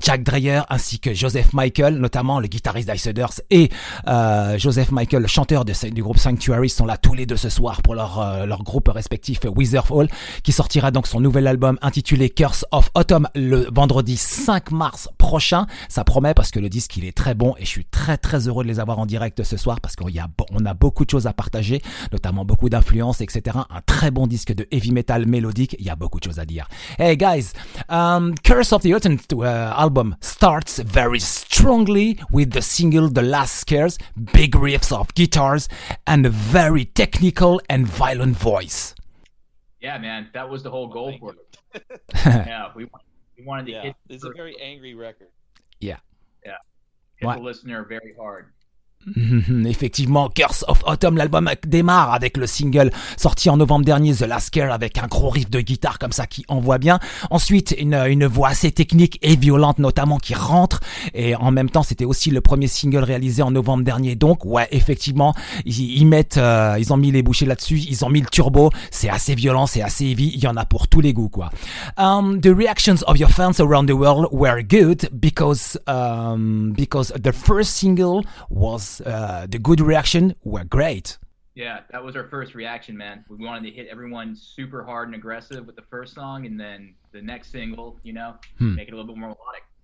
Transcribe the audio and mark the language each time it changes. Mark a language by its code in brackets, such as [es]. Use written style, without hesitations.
[fr] Jack Dreyer ainsi que Joseph Michael, notamment le guitariste d'Icedurs, et Joseph Michael, le chanteur du groupe Sanctuary, sont là tous les deux ce soir pour leur groupe respectif Weezer Fall, qui sortira donc son nouvel album intitulé Curse of Autumn le vendredi 5 mars prochain. Ça promet parce que le disque, il est très bon et je suis très très heureux de les avoir en direct ce soir parce qu'on a beaucoup de choses à partager, notamment beaucoup d'influences, etc. Un très bon disque de heavy metal mélodique. Il y a beaucoup de choses à dire. [en] Hey guys, Curse of the Autumn album starts very strongly with the single The Last Scars, big riffs of guitars and a very technical and violent voice. Yeah, man, that was the whole goal for it. Yeah, we wanted to hit this is a very angry record. Yeah. Yeah. Hit the listener very hard. [fr] Effectivement, Curse of Autumn, l'album démarre avec le single sorti en novembre dernier, The Last Scare, avec un gros riff de guitare comme ça qui envoie bien. Ensuite, une voix assez technique et violente notamment qui rentre. Et en même temps, c'était aussi le premier single réalisé en novembre dernier. Donc, ouais, effectivement, ils ont mis les bouchées là-dessus, ils ont mis le turbo. C'est assez violent, c'est assez heavy. Il y en a pour tous les goûts, quoi. [en] The reactions of your fans around the world were good because the first single was the good reaction were great. Yeah, that was our first reaction, man. We wanted to hit everyone super hard and aggressive with the first song and then the next single, you know, make it a little bit more melodic.